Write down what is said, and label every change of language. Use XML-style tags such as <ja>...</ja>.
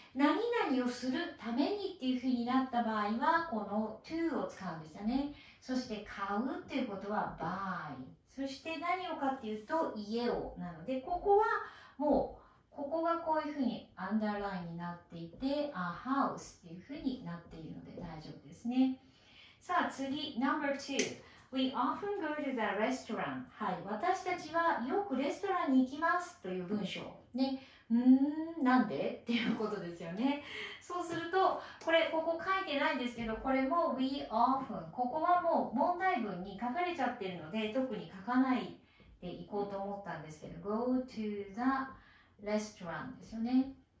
<ja>何々をするためにっていうふうになった場合は、この to を使うんでしたね。そして買うっていうことは buy。そして何をかっていうと家をなので、ここはもう、ここがこういうふうにアンダーラインになっていて、a house っていうふうになっているので大丈夫ですね。さあ次、</ja> <en>number two. We often go to the restaurant.</en> <ja>はい、私たちはよくレストランに行きますという文章。ね、なんでっていうことですよね。そうすると、これ、ここ書いてないんですけど、これも we often。ここはもう問題文に書かれちゃってるので、特に書かないで行こうと思ったんですけど、</ja> <en>go to the restaurant</en> <ja>ですよね。</ja>